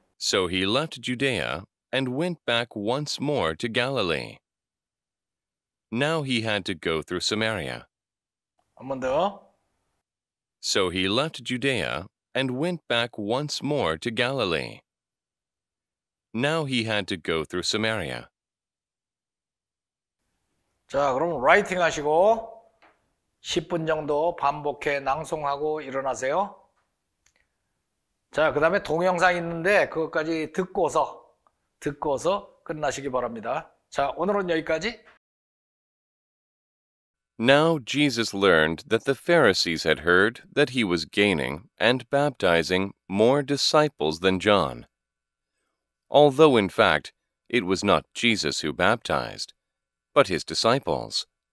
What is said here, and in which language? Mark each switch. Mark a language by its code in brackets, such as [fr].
[en] So he left Judea and went back once more to Galilee. Now he had to go through Samaria. [ko] 한번 더. [en] So he left Judea and went back once more to Galilee. Now he had to go through Samaria. [ko] 자, 그럼 라이팅 하시고 10분 정도 반복해 낭송하고 일어나세요. 자, 그 다음에 동영상 있는데 그것까지 듣고서 끝나시기 바랍니다. 자, 오늘은 여기까지. [en] Now Jesus learned that the Pharisees had heard that he was gaining and baptizing more disciples than John. Although, in fact, it was not Jesus who baptized, but his disciples.